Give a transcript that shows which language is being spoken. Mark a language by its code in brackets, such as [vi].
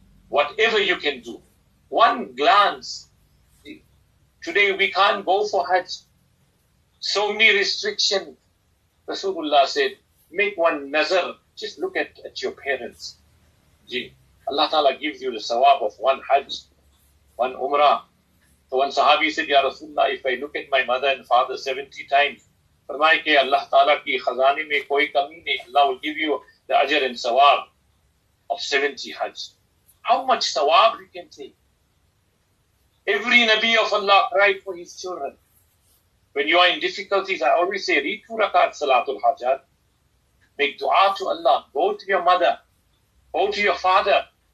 [en] Whatever you can do, one glance. Today we can't go for Hajj. So many restrictions. Rasulullah said, make one nazar. Just look at your parents. Allah Ta'ala gives you the sawab of one Hajj, one Umrah. So one Sahabi said, Ya Rasulullah, if I look at my mother and father 70 times, [ur] فرمائے کہ اللہ تعالیٰ کی خزانے میں کوئی کمی نہیں. [en] Allah will give you the ajr and sawab of 70 Hajj. How much sawab you can take? Every Nabi of Allah cried for his children. When you are in difficulties, I always say, read 2 rakat salatul hajjat. Make dua to Allah. Go to your mother. Go to your father.